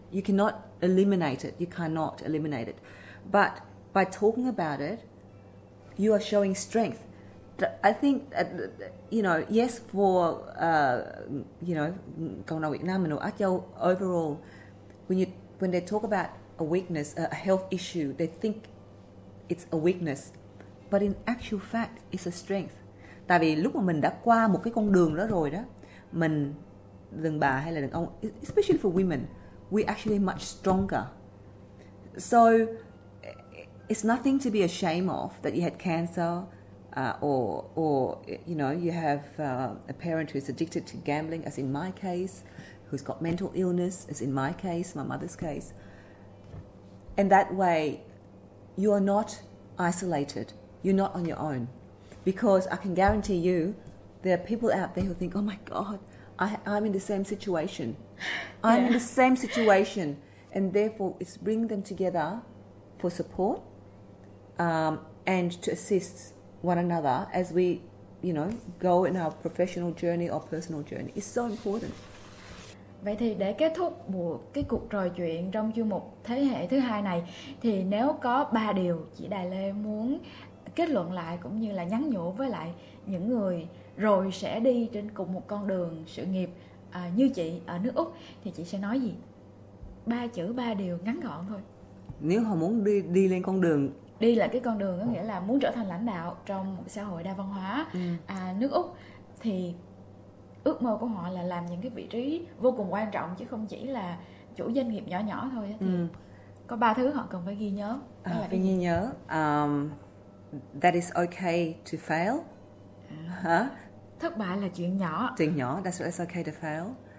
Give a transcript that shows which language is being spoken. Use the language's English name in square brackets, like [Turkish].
[English] You cannot eliminate it. You cannot eliminate it. But by talking about it, you are showing strength. I think, you know, yes, for, you know, [Vietnamese] cộng đồng Việt Nam [English] and Á Châu overall, when they talk about a weakness, a health issue, they think it's a weakness. But in actual fact, it's a strength. [Vietnamese] Tại vì lúc mà mình đã qua một cái con đường đó rồi đó, mình, đàn bà hay là đàn ông, [English] especially for women, we're actually much stronger. So it's nothing to be ashamed of that you had cancer, or you know, you have a parent who's addicted to gambling, as in my case, who's got mental illness, as in my case, my mother's case. And that way, you are not isolated. You're not on your own. Because I can guarantee you, there are people out there who think, oh my God, I'm in the same situation. I'm in the same situation. And therefore, it's bring them together for support. and to assist one another as we, you know, go in our professional journey or personal journey is so important. [Vietnamese] Vậy thì để kết thúc một cái cuộc trò chuyện trong chuyên mục thế hệ thứ hai này, thì nếu có ba điều chị Đài Lê muốn kết luận lại cũng như là nhắn nhủ với lại những người rồi sẽ đi trên cùng một con đường sự nghiệp như chị ở nước Úc, thì chị sẽ nói gì? Ba chữ, ba điều ngắn gọn thôi. Nếu họ muốn đi lên con đường, đi là cái con đường có nghĩa là muốn trở thành lãnh đạo trong một xã hội đa văn hóa nước Úc, thì ước mơ của họ là làm những cái vị trí vô cùng quan trọng chứ không chỉ là chủ doanh nghiệp nhỏ nhỏ thôi, thì có ba thứ họ cần phải ghi nhớ. Phải ghi nhớ [English] that is okay to fail. [Vietnamese] Thất bại là chuyện nhỏ. Chuyện nhỏ, [English] that's what it's okay to fail.